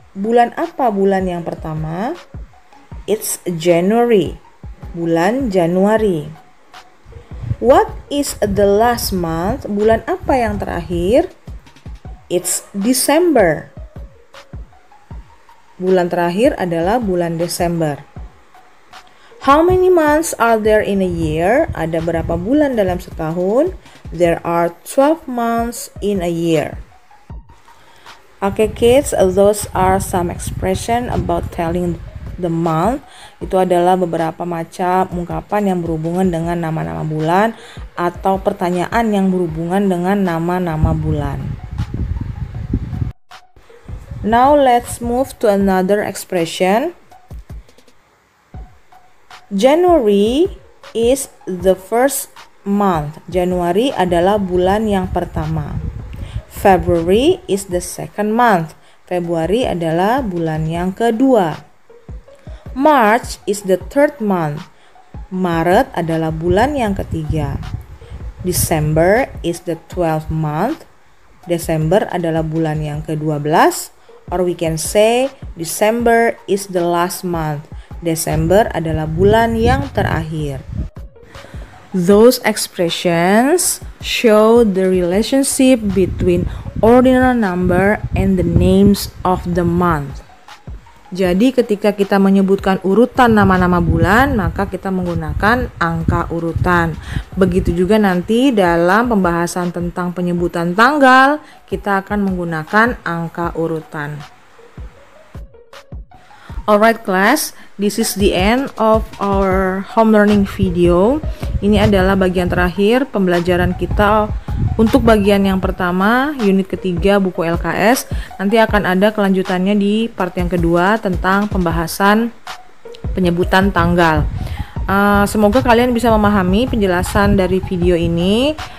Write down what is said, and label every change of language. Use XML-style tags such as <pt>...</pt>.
<id>Bulan apa bulan yang pertama?</id> <en>It's January.</en> <id>Bulan Januari.</id> <en>What is the last month?</en> <id>Bulan apa yang terakhir?</id> <en>It's December.</en> <id>Bulan terakhir adalah bulan Desember.</id> <en>How many months are there in a year?</en> <id>Ada berapa bulan dalam setahun?</id> <en>There are 12 months in a year. Okay, kids, those are some expression about telling the month.</en> <id>Itu adalah beberapa macam ungkapan yang berhubungan dengan nama-nama bulan atau pertanyaan yang berhubungan dengan nama-nama bulan.</id> <en>Now let's move to another expression. January is the first month.</en> <id>January adalah bulan yang pertama.</id> <en>February is the second month.</en> <id>Februari adalah bulan yang kedua.</id> <en>March is the third month.</en> <id>Maret adalah bulan yang ketiga.</id> <en>December is the 12th month.</en> <id>Desember adalah bulan yang ke-12.</id> <en>Or we can say December is the last month.</en> <id>Desember adalah bulan yang terakhir.</id> <en>Those expressions show the relationship between ordinal number and the names of the month.</en> <id>Jadi ketika kita menyebutkan urutan nama-nama bulan, maka kita menggunakan angka urutan. Begitu juga nanti dalam pembahasan tentang penyebutan tanggal, kita akan menggunakan angka urutan.</id> <en>Alright class, this is the end of our home learning video.</en> <id>Ini adalah bagian terakhir pembelajaran kita untuk bagian yang pertama, unit ketiga buku LKS. Nanti akan ada kelanjutannya di part yang kedua tentang pembahasan penyebutan tanggal. Semoga kalian bisa memahami penjelasan dari video ini.</id>